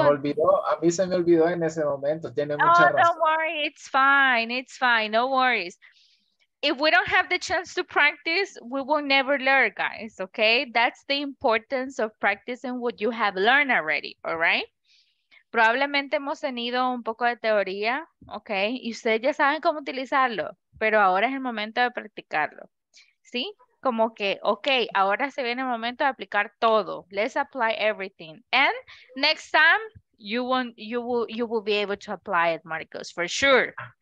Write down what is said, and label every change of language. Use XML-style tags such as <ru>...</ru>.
<es>A mí se me olvidó en ese momento. Tiene mucha razón.</es> <en>Don't worry. It's fine. No worries. If we don't have the chance to practice, we will never learn, guys. Okay? That's the importance of practicing what you have learned already.</en> <es>All right? Probablemente hemos tenido un poco de teoría. Okay? Y ustedes ya saben cómo utilizarlo. Pero ahora es el momento de practicarlo. ¿Sí? Como que, okay, ahora se viene el momento de aplicar todo.</es> <en>Let's apply everything. And next time, you will be able to apply it, Marcos, for sure.</en>